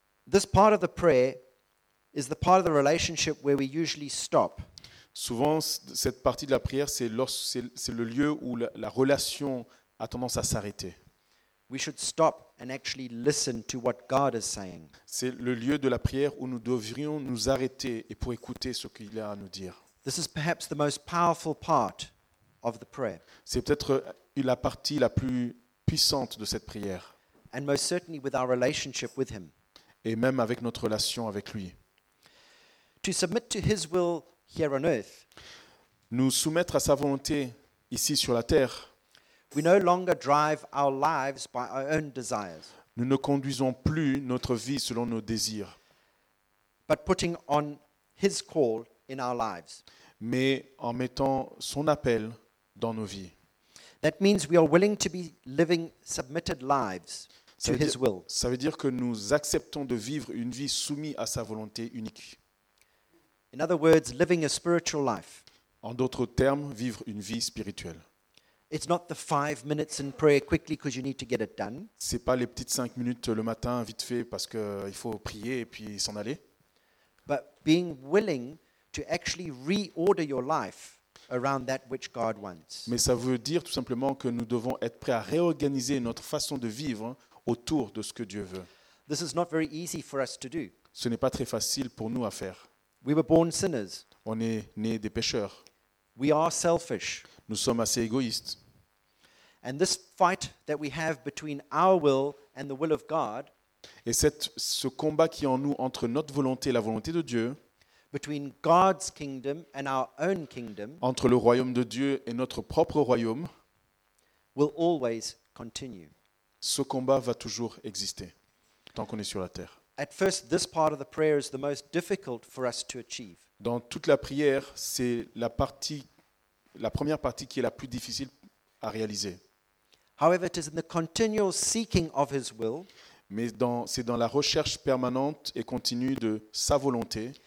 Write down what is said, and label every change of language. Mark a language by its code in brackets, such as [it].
[en] This part of the prayer is the part of the relationship where we usually stop. [fr] Souvent, cette partie de la prière, c'est le lieu où la relation a tendance à s'arrêter. [en] We should stop and actually listen to what God is saying. [fr] C'est le lieu de la prière où nous devrions nous arrêter et pour écouter ce qu'il a à nous dire. [en] This is perhaps the most powerful part of the prayer. [fr] C'est peut-être la partie la plus puissante de cette prière. [en] And most certainly with our relationship with him. [fr] Et même avec notre relation avec lui. [en] To submit to his will here on earth. [fr] Nous soumettre à sa volonté ici sur la terre. [en] We no longer drive our lives by our own desires. [fr] Nous ne conduisons plus notre vie selon nos désirs. [en] But putting on his call in our lives. [fr] Mais en mettant son appel dans nos vies. [en] That means we are willing to be living submitted lives to his will. [fr] Ça veut dire que nous acceptons de vivre une vie soumise à sa volonté unique. [en] In other words, living a spiritual life. [fr] En d'autres termes, vivre une vie spirituelle. [en] It's not the 5 minutes in prayer quickly because you need to get it done. [fr] C'est pas les petites 5 minutes le matin vite fait parce que il faut prier et puis s'en aller. [en] But being willing to actually reorder your life around that which God wants. [fr] Mais ça veut dire tout simplement que nous devons être prêts à réorganiser notre façon de vivre autour de ce que Dieu veut. [en] This is not very easy for us to do. [fr] Ce n'est pas très facile pour nous à faire. [en] We were born sinners. [fr] On est nés des pécheurs. [en] We are selfish. [fr] Nous sommes assez égoïstes. [en] And this fight that we have between our will and the will of God. [fr] Et ce combat qui est en nous entre notre volonté et la volonté de Dieu. [en] Between God's kingdom and our own kingdom. [fr] Entre le royaume de Dieu et notre propre royaume. [en] Will always continue. [fr] Ce combat va toujours exister tant qu'on est sur la terre. [en] At first, this part of the prayer is the most difficult for us to achieve. [fr] Dans toute la prière, c'est la première partie qui est la plus difficile à réaliser. [en] However, it is in the continual seeking of His will. [fr] Mais c'est dans la recherche permanente et continue de sa volonté.